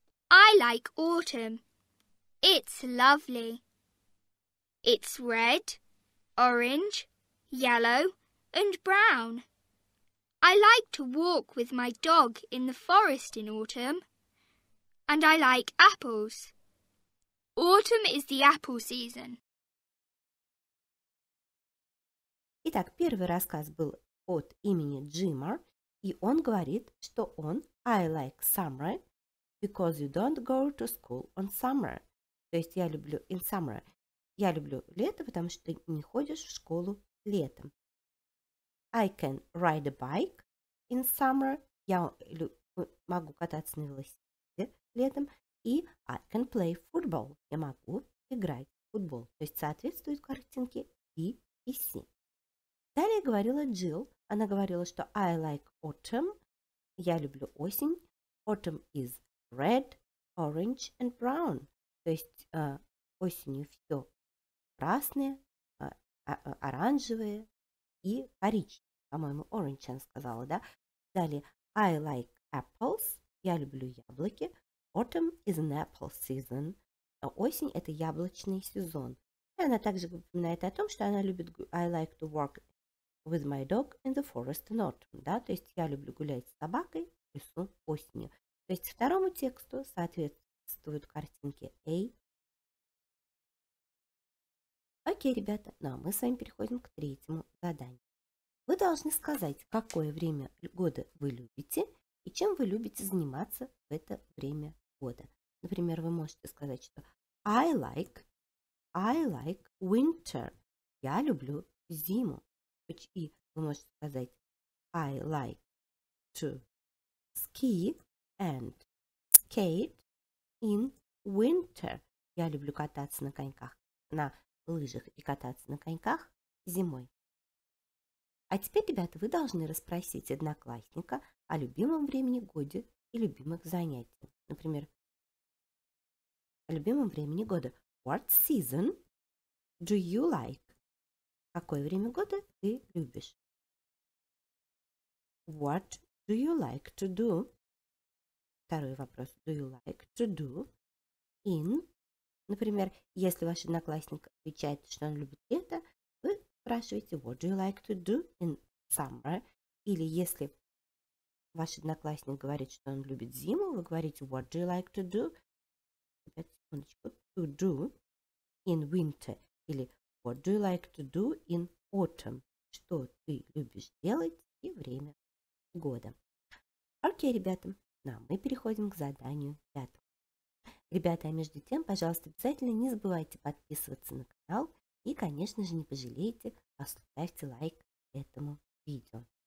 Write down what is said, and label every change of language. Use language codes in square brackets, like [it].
[en] I like autumn. It's lovely. It's red. Orange, yellow, and brown. I like to walk with my dog in the forest in autumn. And I like apples. Autumn is the apple season. [ru] Итак, первый рассказ был от имени Джима, и он говорит, что он [en] I like summer because you don't go to school on summer. [ru] То есть я люблю [en] in summer. [ru] Я люблю лето, потому что ты не ходишь в школу летом. [en] I can ride a bike in summer. [ru] Я могу кататься на велосипеде летом. И [en] I can play football. [ru] Я могу играть в футбол. То есть соответствуют картинке B и C. Далее говорила Джилл. Она говорила, что [en] I like autumn. [ru] Я люблю осень. [en] Autumn is red, orange and brown. [ru] То есть осенью все. Красные, оранжевые и коричневые. По-моему, orange она сказала, да? [en] Далее, I like apples. [ru] Я люблю яблоки. [en] Autumn is an apple season. [ru] Осень – это яблочный сезон. И она также упоминает о том, что она любит [en] I like to work with my dog in the forest in autumn. [ru] Да? То есть, я люблю гулять с собакой в лесу осенью. То есть, второму тексту соответствуют картинки A. Окей, ребята, ну а мы с вами переходим к третьему заданию. Вы должны сказать, какое время года вы любите и чем вы любите заниматься в это время года. Например, вы можете сказать, что [en] I like winter. [ru] Я люблю зиму. И вы можете сказать [en] I like to ski and skate in winter. [ru] Я люблю кататься на коньках, на лыжах и кататься на коньках зимой. А теперь, ребята, вы должны расспросить одноклассника о любимом времени года и любимых занятиях. Например, о любимом времени года. [en] What season do you like? [ru] Какое время года ты любишь? [en] What do you like to do? [ru] Второй вопрос. [en] Do you like to do in... [ru] Например, если ваш одноклассник отвечает, что он любит лето, вы спрашиваете [en] What do you like to do in summer? [ru] Или если ваш одноклассник говорит, что он любит зиму, вы говорите [en] What do you like to do? [ru] Секундочку. [en] To do in winter. Или What do you like to do in autumn? [ru] Что ты любишь делать и время года. Окей, ребята, ну, а мы переходим к заданию пятому. Ребята, а между тем, пожалуйста, обязательно не забывайте подписываться на канал и, конечно же, не пожалейте, поставьте лайк этому видео.